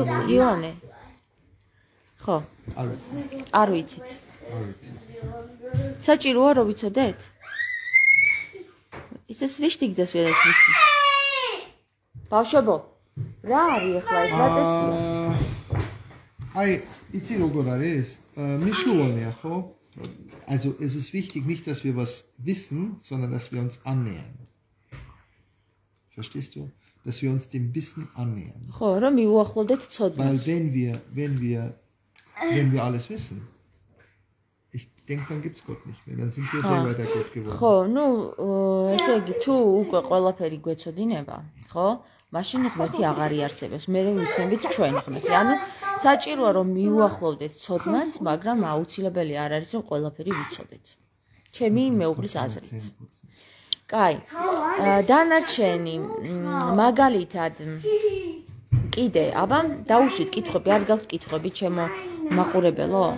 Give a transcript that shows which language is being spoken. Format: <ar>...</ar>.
<ka>იოანე. ხო. არ ვიცით. არ ვიცი. საჭიროა რომ ვიცოდეთ? ის ეს ვიშტიგ და სველას ვისი. ბავშვებო, რა არის ახლა ეს რაც ესია? აი, იცი როგორ არის? მიშულონია, ხო?</ka> <de>Also, es ist wichtig nicht, dass wir was wissen, sondern dass wir uns annähern. Verstehst du? Dass wir uns dem Wissen annähern.</de> <ka>ხო, რომ მიუახლოვდეთ ცოდნას.</ka> <de>Weil wenn wir alles wissen, denkt dann gibt's Gott nicht mehr, dann sind wir selber der Gott geworden.</de> <ka>ხო, ну, ესე იგი, თუ უკვე ყველაფერი გვეცოდინება, ხო? მაშინ ღმერთი აღარ იარსებებს. მე რომ ვიქნებით ჩვენ ღმერთი. ანუ საჭიროა რომ მიუახლოვდეთ ცოდნას, მაგრამ აუცილებელი არ არის რომ ყველაფერი ვიცოდეთ. ჩემი მეუღლის აზრით. კაი. დანარჩენი მაგალითად კიდე, აბა, დაუშვით კითხვები, არ გაქვთ კითხვები ჩემო მაყურებელო?</ka>